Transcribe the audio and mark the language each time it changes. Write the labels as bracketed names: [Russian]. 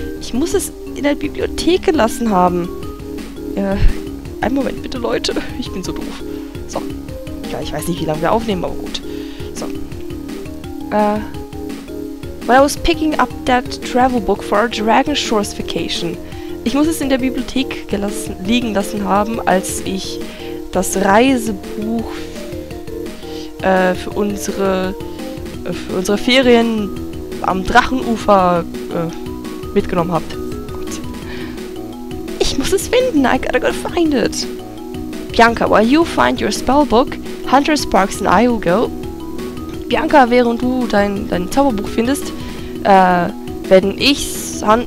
[German] Ich muss es in der Bibliothek gelassen haben. Einen Moment bitte, Leute. Ich bin so doof. So. Ja, ich weiß nicht, wie lange wir aufnehmen, aber gut. So. [English] When I was picking up that travel book for our Dragon Shores vacation. [German] Ich muss es in der Bibliothek liegen lassen haben, als ich das Reisebuch für unsere Ferien am Drachenufer mitgenommen habe. Gut. Ich muss es finden. [English] I gotta go find it. Bianca, while you find your spellbook, Hunter, Sparks and I will go. [German] Bianca, während du dein Zauberbuch findest, werden ich,